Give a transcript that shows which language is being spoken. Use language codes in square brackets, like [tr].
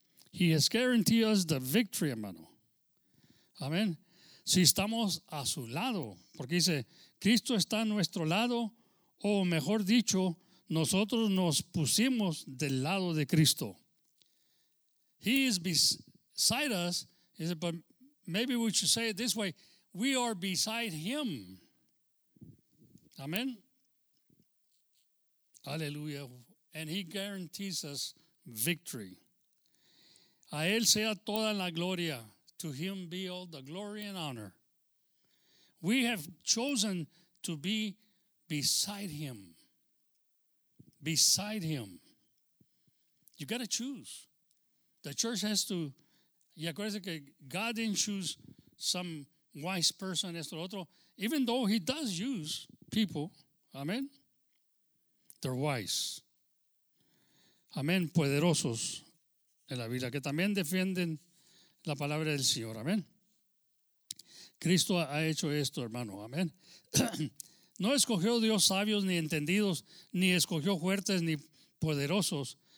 [en] He has guaranteed us the victory, hermano. Amén. [es] Si estamos a su lado, porque dice, Cristo está a nuestro lado, o mejor dicho, nosotros nos pusimos del lado de Cristo. [en] He is beside us. He said, but maybe we should say it this way. We are beside him. Amen. Aleluya. And he guarantees us victory. [es] A él sea toda la gloria. [en] To him be all the glory and honor. We have chosen to be beside him. Beside him. You got to choose. The church has to. [es] Y acuérdense que [en] God didn't choose some wise person, [es] esto o otro. [en] Even though he does use people, amen, they're wise. [es] Amen, poderosos en la Biblia, que también defienden la palabra del Señor, amen. Cristo ha hecho esto, hermano, amen. No escogió Dios sabios ni entendidos, ni escogió fuertes ni poderosos.